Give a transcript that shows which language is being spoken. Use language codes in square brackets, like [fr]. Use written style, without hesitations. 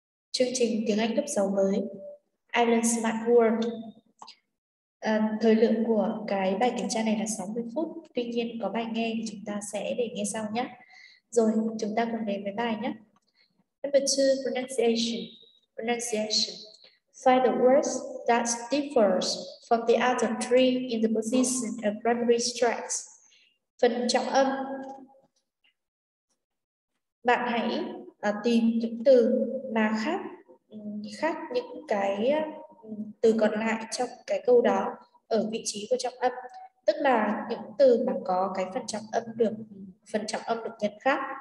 [vi] Chương trình tiếng Anh cấp 6 mới, Island Smart World. Thời lượng của cái bài kiểm tra này là 60 phút, tuy nhiên có bài nghe thì chúng ta sẽ để nghe sau nhé. Rồi, chúng ta cùng đến với bài nhé. [en] Number 2, pronunciation. Pronunciation. Find the words that differs from the other three in the position of primary stress. [vi] Phần trọng âm. Bạn hãy tìm những từ mà khác những cái từ còn lại trong cái câu đó ở vị trí của trọng âm. Tức là những từ mà có cái phần trọng âm được nhận khác.